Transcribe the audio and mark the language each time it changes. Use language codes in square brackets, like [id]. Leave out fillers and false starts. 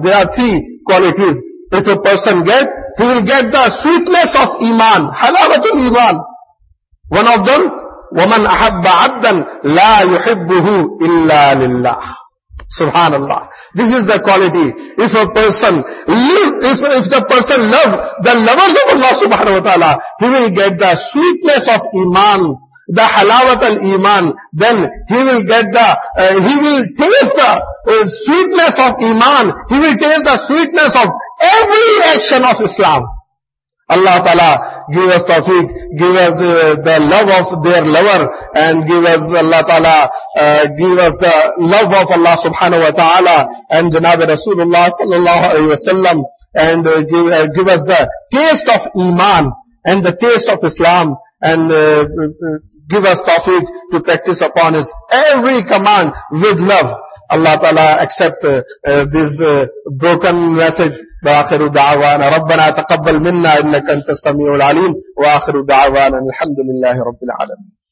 [en] There are three qualities. If a person gets, he will get the sweetness of iman, halawat of iman. One of them, [ar] وَمَنْ أَحَبَّ عَبْدًا لَا يُحِبُّهُ إِلَّا لِلَّهِ. [en] Subhanallah. This is the quality. If the person love the lovers of Allah subhanahu wa ta'ala, he will get the sweetness of iman, the halawat al iman. Then he will get the, he will taste the sweetness of iman. He will taste the sweetness of every action of Islam. Allah ta'ala give us tawfiq, give us the love of their lover, and give us Allah ta'ala, give us the love of Allah subhanahu wa ta'ala, and Janabi Rasulullah sallallahu alayhi wa sallam, and give us the taste of Iman, and the taste of Islam, and give us tawfiq to practice upon His every command with love. Allah ta'ala accept this broken message. [ar] وآخر دعوانا ربنا تقبل منا إنك أنت السميع العليم وآخر دعوانا الحمد لله رب العالمين.